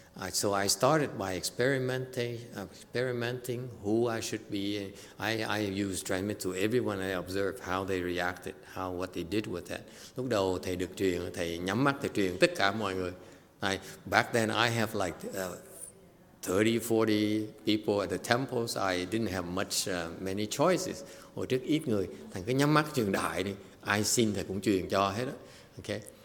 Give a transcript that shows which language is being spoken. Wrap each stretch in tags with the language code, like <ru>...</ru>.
<en>So I started by experimenting who I should be. I used transmit to everyone I observed, how they reacted, how what they did with that.</en> <vi>Lúc đầu thầy được truyền, thầy nhắm mắt thầy truyền tất cả mọi người.</vi> <en>Back then I have like 30, 40 people at the temples. I didn't have many choices.</en> <vi>Hồi trước ít người, thằng cứ nhắm mắt truyền đại đi. Ai xin thầy cũng truyền cho hết đó. Okay.</vi>